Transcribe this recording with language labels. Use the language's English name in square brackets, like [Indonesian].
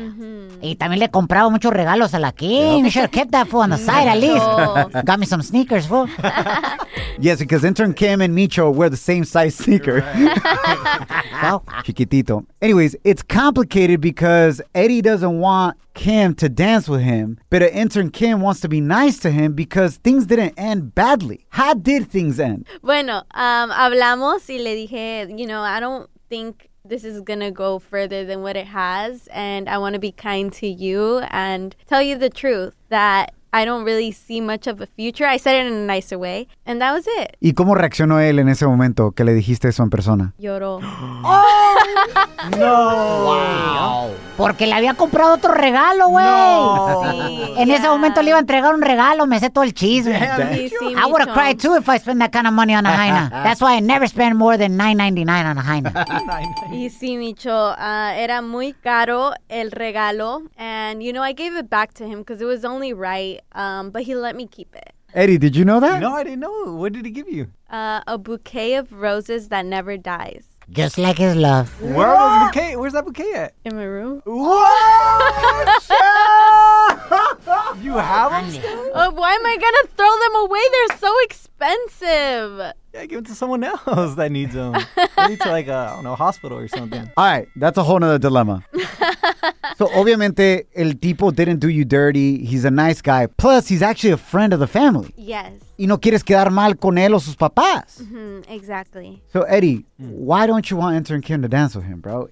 [Spanish] Mm-hmm. Y también le compraba muchos regalos a la Kim. [English] Yep. Should have kept that fool on the side at least. Got me some sneakers, fool. Yes, because intern Kim and Micho wear the same size sneaker. Right. [Spanish] Chiquitito. [English] Anyways, it's complicated because Eddie doesn't want Kim to dance with him, but an intern Kim wants to be nice to him because things didn't end badly. How did things end? [Spanish] Bueno, hablamos y le dije, [English] you know, I don't think this is gonna go further than what it has, and I want to be kind to you and tell you the truth that I don't really see much of a future. I said it in a nicer way. And that was it. [Spanish] ¿Y cómo reaccionó él en ese momento que le dijiste eso en persona? Lloró. ¡Oh! ¡No! ¡Wow! Porque le había comprado otro regalo, güey. No. Ese momento le iba a entregar un regalo. Me sé todo el chisme. [English] Damn, I would have cried too if I spent that kind of money on a jaina. That's why I never spend more than $9.99 on a jaina. [Spanish] Y sí, Micho. Era muy caro el regalo. [English] And, you know, I gave it back to him because it was only right. But he let me keep it. Eddie, did you know that? No, I didn't know. What did he give you? A bouquet of roses that never dies. Just like his love. Where are those bouquets? Where's that bouquet at? In my room. What? You have them still? Why am I going to throw them away? They're so expensive. Yeah, give it to someone else that needs them. Maybe to like a hospital or something. All right, that's a whole other dilemma. So [Spanish] obviamente, el tipo [English] didn't do you dirty. He's a nice guy. Plus, he's actually a friend of the family. Yes. [Spanish] Y no quieres quedar mal con él o sus papás. [English] Mm-hmm, exactly. So Eddie, why don't you want intern Kim to dance with him, bro?